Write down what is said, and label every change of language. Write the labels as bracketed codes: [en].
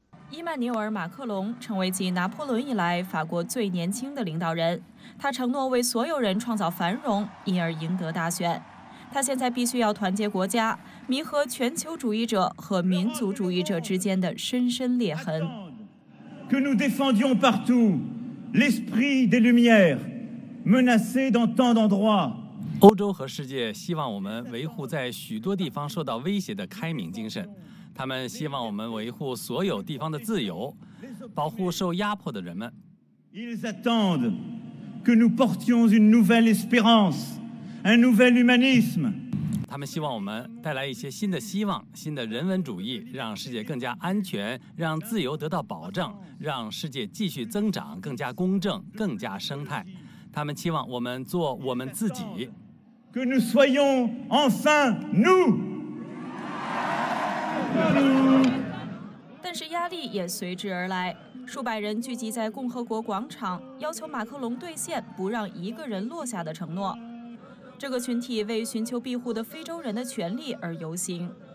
[zh] 伊曼纽尔·马克龙成为继拿破仑以来法国最年轻的领导人，他承诺为所有人创造繁荣，因而赢得大选。他现在必须要团结国家，弥合全球主义者和民族主义者之间的深深裂痕。 [fr] Que nous défendions partout l'esprit des Lumières menacé dans tant d'endroits。 [zh] 欧洲和世界希望我们维护在许多地方受到威胁的开明精神，他们希望我们维护所有地方的自由，保护受压迫的人们。 [fr] Ils attendent que nous portions une nouvelle espérance。 Un nouvel humanisme. [zh] 他们希望我们带来一些新的希望，新的人文主义，让世界更加安全，让自由得到保证，让世界继续增长，更加公正，更加生态。他们期望我们做我们自己。 [fr] Que nous soyons enfin nous. [zh] 但是压力也随之而来，数百人聚集在共和国广场，要求马克龙兑现不让一个人落下的承诺。这个群体为寻求庇护的非洲人的权利而游行，